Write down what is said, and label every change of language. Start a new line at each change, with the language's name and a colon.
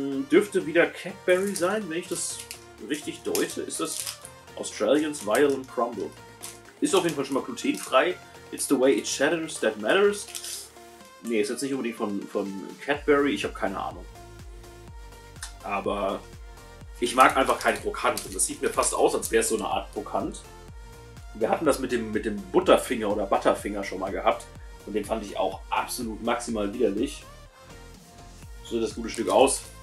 German: Dürfte wieder Cadbury sein, wenn ich das richtig deute. Ist das Australians Violent Crumble. Ist auf jeden Fall schon mal glutenfrei.
English: It's the way it shatters that matters.
German: Nee, ist jetzt nicht unbedingt von Cadbury. Ich habe keine Ahnung. Aber ich mag einfach kein Krokant. Und das sieht mir fast aus, als wäre es so eine Art Krokant. Wir hatten das mit dem Butterfinger oder Butterfinger schon mal gehabt. Und den fand ich auch absolut maximal widerlich. So sieht das gute Stück aus.